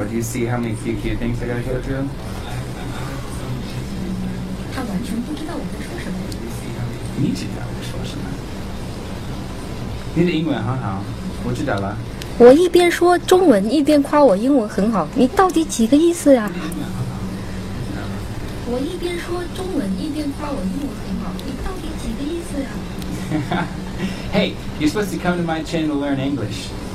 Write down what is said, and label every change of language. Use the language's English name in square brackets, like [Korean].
[English] Do you see how many few things I gotta go through? [Chinese] 他完全不知道我在说什么。你知道我说什么？你的英文很好，我知道了。我一边说中文，一边夸我英文很好，你到底几个意思呀、啊？我一边说中文，一边夸我英文很好，你到底几个意思呀、啊、 [English] ？Hey, you're supposed to come to my channel to learn English.